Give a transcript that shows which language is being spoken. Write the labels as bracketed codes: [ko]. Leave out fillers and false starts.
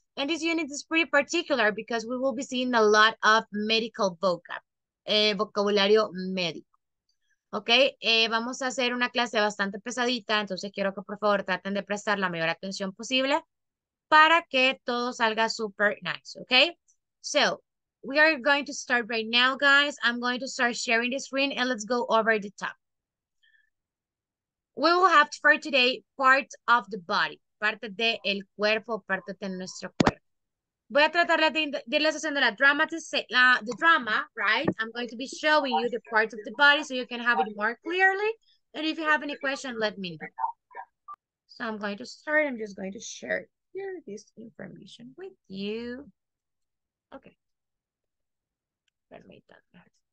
[en] And this unit is pretty particular because we will be seeing a lot of medical vocab, [es] vocabulario médico. Ok, vamos a hacer una clase bastante pesadita, entonces quiero que por favor traten de prestar la mayor atención posible para que todo salga [en] super nice. Ok, so we are going to start right now, guys. I'm going to start sharing the screen and let's go over the top. We will have for today part of the body. [es] Parte de el cuerpo, parte de nuestro cuerpo. Voy a tratar de irles haciendo la drama, [en] the drama, [es] right? [en] I'm going to be showing you the parts of the body so you can have it more clearly. And if you have any question, let me know. So I'm going to start. I'm just going to share here this information with you. [es] Okay. Permítanme.